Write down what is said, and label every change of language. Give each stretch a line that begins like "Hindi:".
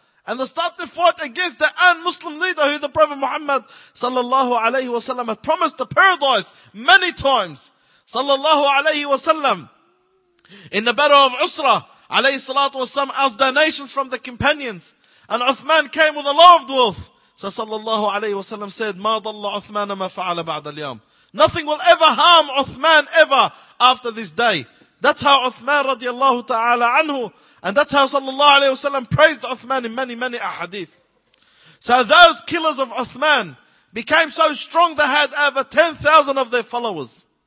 English: And they start to fight against the un-Muslim leader who the Prophet Muhammad sallallahu alayhi wa sallam had promised the paradise many times. Sallallahu alayhi wa sallam. In the battle of Usra, alayhi salatu wa sallam asked donations from the companions. And Uthman came with a lot of wealth. So
Arabic: sallallahu alayhi wa sallam
English: said,
Arabic: ما ضل عثمان ما فعل بعد اليوم.
English: Nothing will ever harm Uthman ever after this day. That's how Uthman radiallahu ta'ala anhu, and that's how sallallahu alayhi wa sallam praised Uthman in many, many ahadith. So those killers of Uthman became so strong they had over 10,000 of their followers.